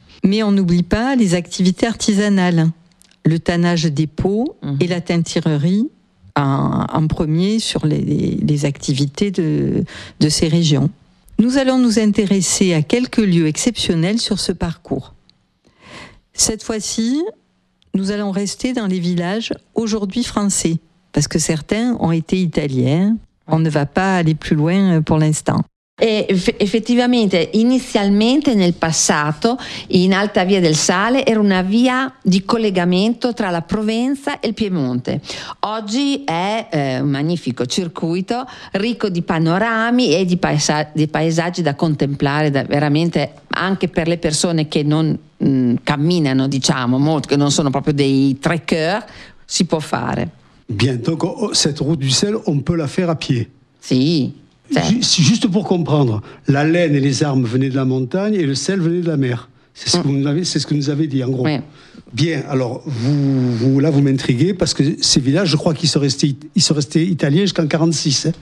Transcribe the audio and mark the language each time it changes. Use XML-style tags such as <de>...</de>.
<fr>Mais on n'oublie pas les activités artisanales, le tannage des peaux et la teinturerie, en premier sur les activités de ces régions. Nous allons nous intéresser à quelques lieux exceptionnels sur ce parcours. Cette fois-ci, nous allons rester dans les villages aujourd'hui français, parce que certains ont été italiens. On ne va pas aller plus loin pour l'instant.</fr> <it>Effettivamente, inizialmente nel passato, in Alta Via del Sale era una via di collegamento tra la Provenza e il Piemonte. Oggi è un magnifico circuito ricco di panorami e di paesaggi da contemplare, veramente anche per le persone che non camminano, diciamo, molto, che non sono proprio dei trekker, si può fare.</it> <fr>Bien, donc cette route du sel, on peut la faire à pied.</fr> <it>Sì.</it> <fr>Juste pour comprendre, la laine et les armes venaient de la montagne et le sel venait de la mer. C'est ce que vous nous avez dit, en gros. Oui. Bien, alors, vous m'intriguez, parce que ces villages, je crois qu'ils sont restés italiens jusqu'en 46,</fr>